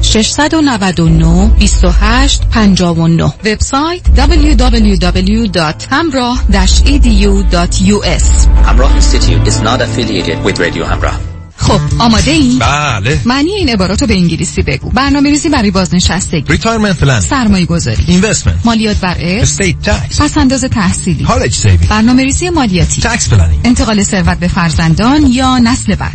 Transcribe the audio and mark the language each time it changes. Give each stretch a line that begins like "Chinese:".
Persian: 310-699-2859 310-699-2859 وبسایت www.hamrah-edu.us.
English: Hamrah Institute is not affiliated with Radio Hamrah.
Persian: خب آماده این؟ بله. معنی این عباراتو به انگلیسی بگو. برنامه‌ریزی برای بازنشستگی.
English: Retirement plan.
Persian: سرمایه‌گذاری.
English: Investment.
Persian: مالیات بر ارث.
English: Estate tax.
Persian: پس‌انداز تحصیلی.
English: College saving.
Persian: برنامه‌ریزی مالیاتی.
English: Tax planning.
Persian: انتقال ثروت به فرزندان یا نسل بعد.